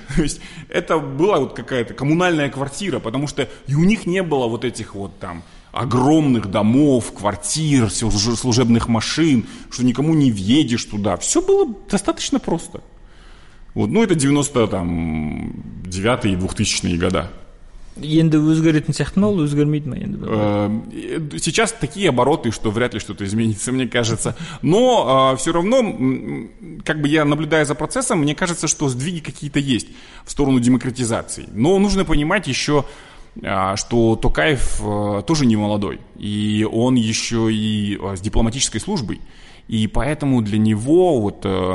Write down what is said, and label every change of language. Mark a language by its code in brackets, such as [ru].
[ru] То есть это была вот какая-то коммунальная квартира, потому что и у них не было вот этих вот там огромных домов, квартир, служебных машин, что никому не въедешь туда. Все было достаточно просто. Вот, ну, это 99-е и 2000-е года. [kk] Енді өзгеретін сияқты ма, өзгермейді ма енді? [ru] Сейчас такие обороты, что вряд ли что-то изменится, мне кажется. Но все равно, я наблюдаю за процессом, мне кажется, что сдвиги какие-то есть в сторону демократизации. Но нужно понимать еще, что Токаев тоже не молодой, и он еще и с дипломатической службой, и поэтому для него вот